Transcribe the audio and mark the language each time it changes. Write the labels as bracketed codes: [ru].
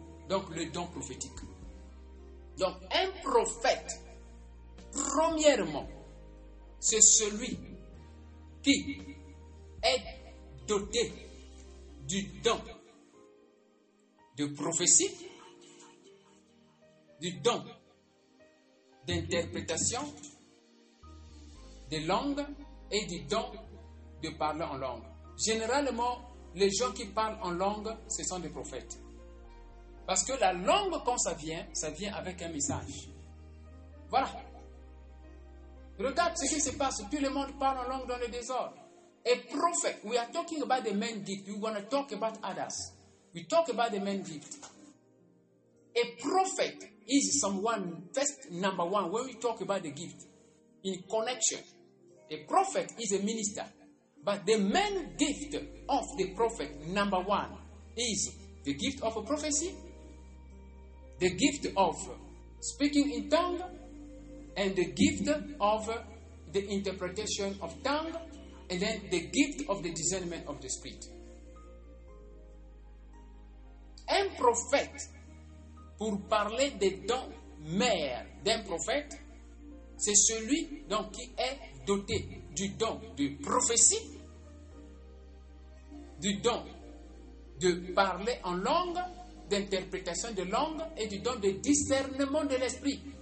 [fr] Donc, le don prophétique. Donc, un prophète, premièrement, c'est celui qui est doté du don de prophétie, du don d'interprétation des langues et du don de parler en langue. Généralement, les gens qui parlent en langue, ce sont des prophètes. Parce que la langue, quand ça vient avec un message. Voilà. Regarde ce qui se passe. Tout le monde parle en langue dans le désordre. [en] A prophet, we are talking about the main gift. We want to talk about others. We talk about the main gift. A prophet is someone, first number one, when we talk about the gift, in connection. A prophet is a minister. But the main gift of the prophet, number one, is the gift of a prophecy, the gift of speaking in tongue, and the gift of the interpretation of tongue, and then the gift of the discernment of the spirit. [fr] Un prophète, pour parler des dons mères d'un prophète, c'est celui donc qui est doté du don de prophétie, du don de parler en langue, d'interprétation de langue et du don de discernement de l'esprit.